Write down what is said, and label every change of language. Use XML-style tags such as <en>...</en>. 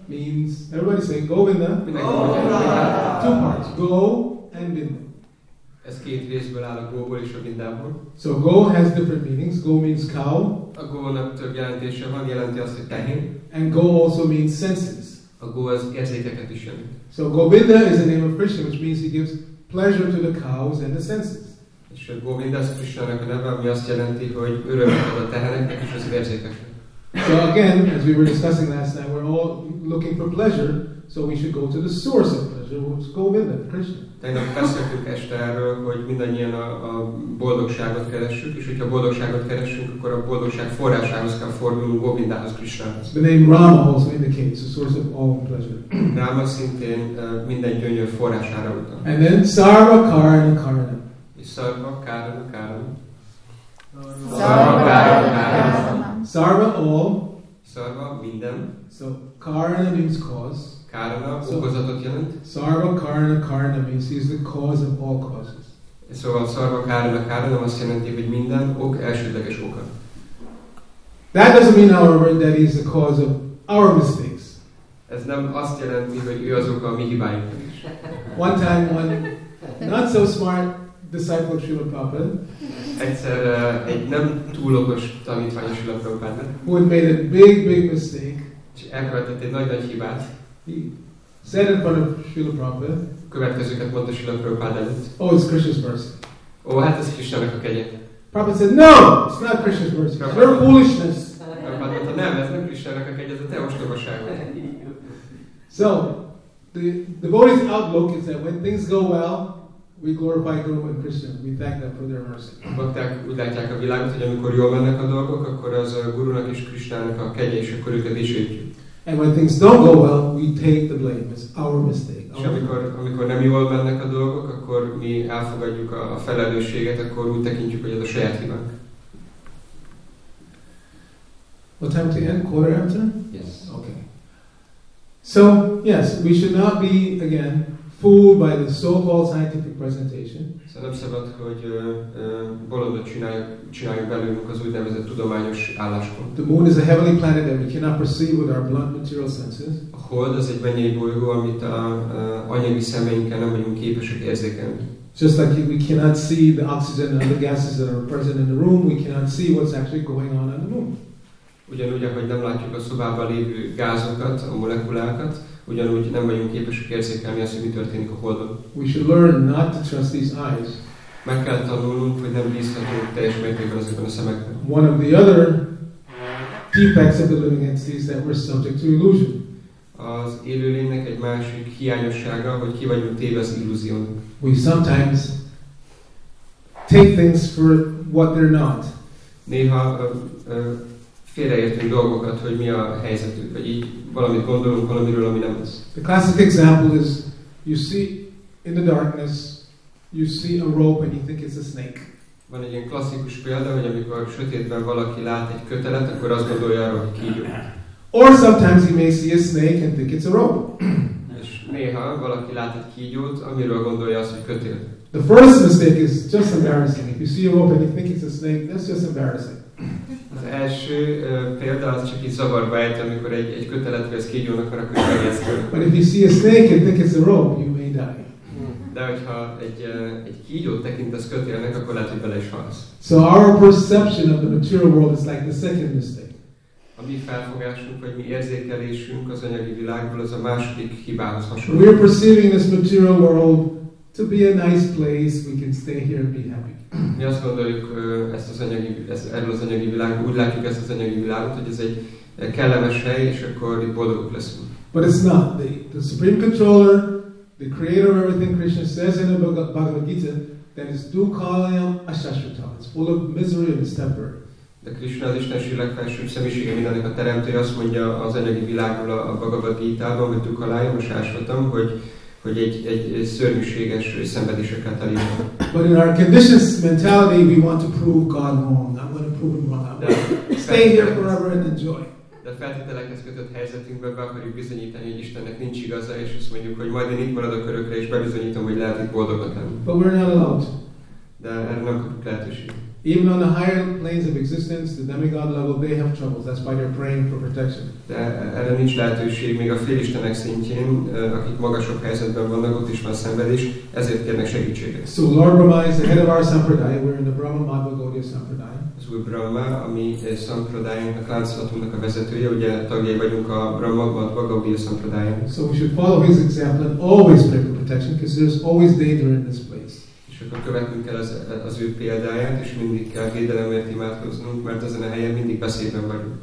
<en>Means everybody say Govinda. Two parts, Go and Binda.</en> <hu>Ez két részből áll, a Go-ból és a Bindából.</hu> <en>So Go has different meanings. Go means cow.</en> <hu>A Go-nak több jelentése van, jelenti azt, hogy tehén.</hu> <en>And Go also means senses.</en> <hu>A Go az érzéteket is jelent.</hu> <en>So Govinda is the name of Krishna, which means he gives pleasure to the cows and the senses.</en> <hu>És a Govinda az Krishna-nak a neve, ami azt jelenti, hogy örömet ad a teheneknek és az érzékeknek.</hu> <en>So again, as we were discussing last night, we're all looking for pleasure, so we should go to the source of pleasure, which is Govinda, Krishna.</en> <hu>Tegnap beszéltük este erről, hogy mindannyian a boldogságot keressük, és hogyha boldogságot keressünk, akkor a boldogság forrásához kell fordulnunk, Govindához, Krishnához.</hu> <en>The name Rama also indicates the source of all pleasure.</en> <hu>Rama szintén minden gyönyör forrására utal.</hu> <en>And then Sarva Karana Karana.</en> <hu>És Sarva Karana Karana.</hu> <en>Sarva all.</en> <hu>Sarva minden.</hu> <en>So karana means cause.</en> <hu>Karana okozatot jelent.</hu> <en>Sarva karana karana means he is the cause of all causes.</en> <hu>Szóval sarva karana karana azt jelenti, hogy minden ok elsődleges oka.</hu> <en>That doesn't mean, however, that he is the cause of our mistakes.</en> <hu>Ez nem azt jelenti, hogy ő az oka a mi hibáinknak is.</hu> <en>One time, one not so smart disciple of Srila Prabhupada.</en> <hu>Egyszer egy nem túl okos tanítvány a Srila Prabhupada.</hu> <en>Who had made a big, big mistake.</en> <hu>És elkövetett egy nagy-nagy hibát.</hu> <en>He said in front of Srila Prabhupada.</en> <hu>Következőket mondta Srila Prabhupada előtt.</hu> <en>Oh, it's Krishna's mercy.</en> <hu>Oh, hát ez Krishna-nak a kegye.</hu> <en>Prabhupada said, no, it's not Krishna's mercy. It's your foolishness.</en> <hu>Prabhupada mondta, nem, ez nem Krishna-nak a kegye, ez a te ostobaságod.</hu> <en>So, the devotee's outlook is that when things go well, we glorify Guru and Krishna. We thank them for their mercy.</en> <hu>Bakták úgy látják a világot, hogy amikor jól mennek a dolgok, akkor az a Gurunak és Krishnának a kegye, és akkor őket dicsérjük.</hu> <en>And when things don't go well, we take the blame. It's our mistake.</en> <hu>És amikor nem jól mennek a dolgok, akkor mi elfogadjuk a felelősséget, akkor úgy tekintjük, hogy ez a saját hibánk.</hu> <en>What time to end? Quarter after? Yes. Okay. So, yes, we should not be, again, fooled by the so-called scientific presentation.</en> <hu>Szerepszabad, hogy bolondot csináljuk belőlünk az úgynevezett tudományos álláspont.</hu> <en>The moon is a heavenly planet that we cannot perceive with our blunt material senses.</en> <hu>A hold az egy mennyei bolygó, amit a anyagi szemeinkkel nem vagyunk képesek érzékelni.</hu> <en>Just like we cannot see the oxygen and other gases that are present in the room, we cannot see what's actually going on the moon.</en> <hu>Ugyanúgy, ahogy nem látjuk a szobában lévő gázokat, a molekulákat, ugyanúgy nem vagyunk képesek érzékelni azt, hogy mi történik a Holdon.</hu> <en>We should learn not to trust these eyes.</en> <hu>Meg kell tanulnunk, hogy nem bízhatunk teljes mértékben azokban a szemekben.</hu> <en>One of the other defects of the living entity is that we're subject to illusion.</en> <hu>Az élőlénynek egy másik hiányossága, hogy ki vagyunk téve az illúziónak.</hu> <en>We sometimes take things for what they're not.</en> <hu>Néha félreértünk dolgokat, hogy mi a helyzetük, vagy így valamit gondolunk valamiről, ami nem az.</hu> <en>The classic example is, you see in the darkness, you see a rope and you think it's a snake.</en> <hu>Van egy ilyen klasszikus példa, hogy amikor sötétben valaki lát egy kötelet, akkor azt gondolja arra, hogy kígyó.</hu> <en>Or sometimes he may see a snake and think it's a rope.</en> <hu>És néha valaki lát egy kígyót, amiről gondolja azt, hogy kötél.</hu> <en>The first mistake is just embarrassing. If you see a rope and you think it's a snake, that's just embarrassing.</en> <hu>Az első példa az csak így zavarba ejt, amikor egy kötelet vesz kígyónak, akkor is megjegyzik.</hu> <en>But if you see a snake and think it's a rope, you may die.</en> <hu>De hogyha egy kígyót tekintesz kötélnek, akkor lehet, hogy bele is halsz.</hu> <en>So our perception of the material world is like the second mistake.</en> <hu>A mi felfogásunk, vagy mi érzékelésünk az anyagi világból az a második hibához hasonló.</hu> <en>We are perceiving this material world to be a nice place, we can stay here and be happy.</en> <hu>Mi azt gondoljuk erről az anyagi világból, úgy látjuk ezt az anyagi világot, hogy ez egy kellemes hely, és akkor boldogok leszünk.</hu> <en>But it's not. The Supreme Controller, the creator of everything, Krishna says in the Bhagavad Gita, that is</en> <sa>dukkhalayam ashashvatam.</sa> <en>It's full of misery and it's temporary.</en> <hu>De Krishna, az Istenség legfelsőbb személyisége, mindannak a teremtője, azt mondja az anyagi világról a Bhagavad Gita-ban, hogy</hu> <sa>dukkhalayam ashashvatam,</sa> <hu>hogy egy szörnyűséges szenvedésekkel teli.</hu> <en>But in our conditioned mentality, we want to prove God wrong. I'm going to prove him wrong. Stay here forever and enjoy.</en> <hu>De a feltételekhez kötött helyzetünkben be akarjuk bizonyítani, hogy Istennek nincs igaza, és azt mondjuk, hogy majd én itt maradok örökre, és bebizonyítom, hogy lehet, hogy boldogat lenni.</hu> <en>But we're not allowed.</en> <hu>De erre nem kapjuk lehetőséget.</hu> <en>Even on the higher planes of existence, the demigod level, they have troubles. That's why they're praying for protection.</en> <hu>De erre nincs lehetőség, még a félistenek szintjén, akik magasabb helyzetben vannak, ott is van szenvedés, ezért kérnek segítséget.</hu> <en>So Lord Brahma is the head of our sampradaya. We're in the Brahma Madhva Gaudiya Sampradaya.</en> <hu>Az új Brahma, ami sampradayának, láncolatunknak a vezetője, ugye tagjai vagyunk a Brahma Madhva Gaudiya Sampradaya.</hu> <en>So we should follow his example and always pray for protection, because there's always danger in this place.</en> <hu>Csak követnünk kell az ő példáját, és mindig kell védelemért imádkoznunk, mert ezen a helyen mindig veszélyben vagyunk.</hu>